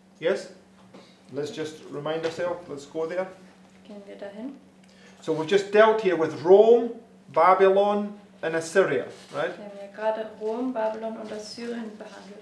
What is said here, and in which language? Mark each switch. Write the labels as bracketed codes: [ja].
[en] Yes? Let's just remind ourselves, let's go there. [de] Gehen wir dahin. [en] So we've just dealt here with Rome, Babylon, and Assyria, right? [de] Gerade Rom, Babylon und Assyrien behandelt.